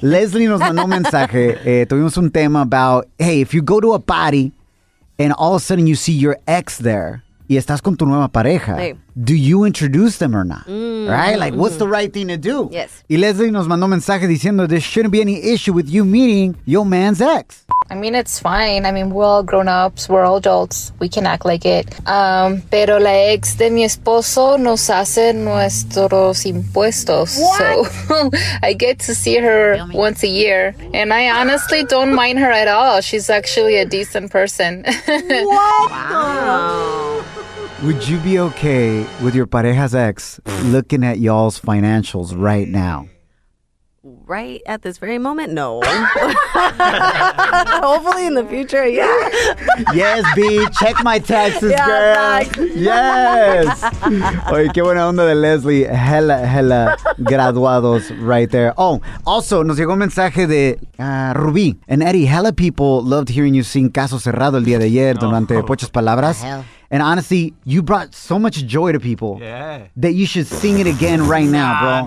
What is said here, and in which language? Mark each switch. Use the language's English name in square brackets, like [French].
[Spanish] Leslie nos mandó un mensaje. Tuvimos un tema [English] about, hey, if you go to a party and all of a sudden you see your ex there, [Spanish] y estás con tu nueva pareja, [English] do you introduce them or not? Right? Like, what's the right thing to do? Yes. [Spanish] Y Leslie nos mandó mensaje diciendo, [English] there shouldn't be any issue with you meeting your man's ex. I mean, it's fine. I mean, we're all grown-ups. We're all adults. We can act like it. [Spanish] Pero la ex de mi esposo nos hace nuestros impuestos. [English] What? So I get to see her once a year. And I honestly don't mind her at all. She's actually a decent person. Would you be okay with your pareja's ex looking at y'all's financials right now? Right at this very moment, no. Hopefully in the future, yeah. Yes, B, check my taxes, yeah, girl. Back. Yes. [Spanish] Oye, qué buena onda de Leslie. Hella, hella graduados [English] right there. Oh, also, [Spanish] nos llegó un mensaje de Rubí. [English] And Eddie, hella people loved hearing you sing Caso Cerrado [Spanish] el día de ayer durante [English] Pochas Palabras. And honestly, you brought so much joy to people that you should sing it again right now, bro.